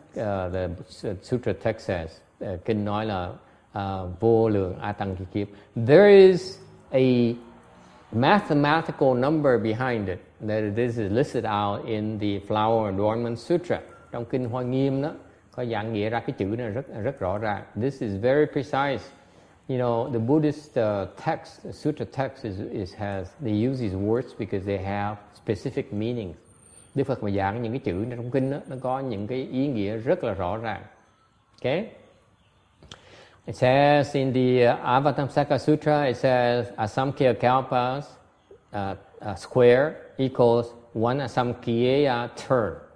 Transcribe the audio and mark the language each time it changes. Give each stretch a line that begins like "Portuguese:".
English: The sutra text says,
Vietnamese: Kinh nói là vô lượng a tăng kỳ kiếp.
English: There is a mathematical number behind it. That this is listed out in the Flower Adornment Sutra.
Vietnamese: Trong kinh Hoa Nghiêm đó, có giảng nghĩa ra cái chữ này rất rất rõ ràng.
English: This is very precise. You know, the Buddhist text, the sutra text has they use these words because they have specific meanings.
Vietnamese: Đức Phật mà giảng những cái chữ này trong kinh đó, nó có những cái ý nghĩa rất là rõ ràng.
English: Okay? It says in the Avatamsaka Sutra, it says Asamkhya Kalpas square equals one Asamkhya turn.